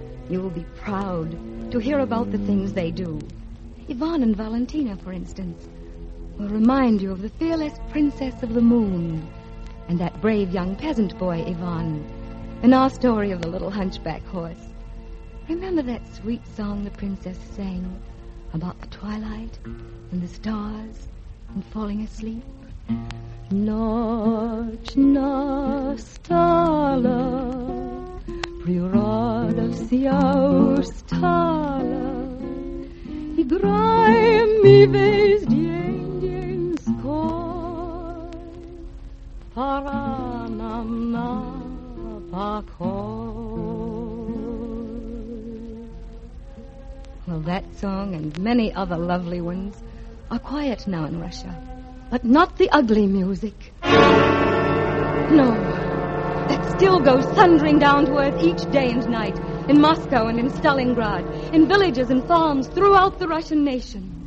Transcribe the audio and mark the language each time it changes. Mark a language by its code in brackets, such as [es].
[en] You will be proud to hear about the things they do. Yvonne and Valentina, for instance, will remind you of the fearless princess of the moon and that brave young peasant boy, Yvonne, in our story of the little hunchback horse. Remember that sweet song the princess sang about the twilight and the stars and falling asleep? [ru] Ночь настала, природа вся устала, играем мы весь день, день скоро, пора нам на покой. [en] Well, that song and many other lovely ones are quiet now in Russia. But not the ugly music. No, that still goes thundering down to earth each day and night in Moscow and in Stalingrad, in villages and farms throughout the Russian nation.